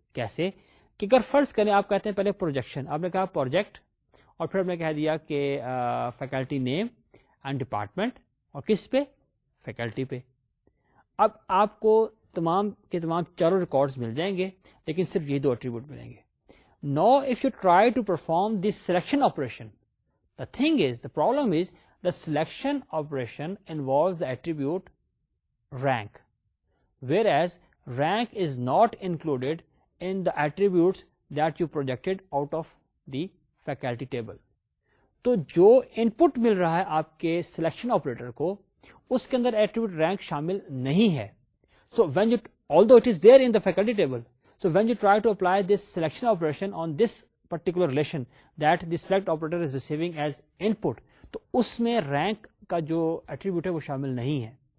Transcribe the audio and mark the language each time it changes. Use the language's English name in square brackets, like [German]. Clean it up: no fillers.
[Urdu] کیسے؟ کہ اگر فرض کریں آپ کہتے ہیں پہلے پروجیکشن, آپ نے کہا پروجیکٹ اور پھر آپ نے کہہ دیا کہ فیکلٹی نیم اینڈ ڈپارٹمنٹ, اور کس پہ؟ فیکلٹی پہ. اب آپ کو تمام کے تمام چاروں ریکارڈز مل جائیں گے لیکن صرف یہ دو ایٹریبیوٹ ملیں گے. [English] Now if you try to perform this selection operation, the thing is, the problem is, the selection operation involves the attribute rank, whereas rank is not included in the attributes that you projected out of the faculty table. [Urdu] تو جو input مل رہا ہے آپ کے selection operator کو اس کے اندر attribute rank شامل نہیں ہے. [English] So when you, although it is there in the faculty table, so when you try to apply this selection operation on this particular relation that the select operator is receiving as input, [Urdu] تو اس میں rank کا جو attribute ہے وہ شامل نہیں ہے.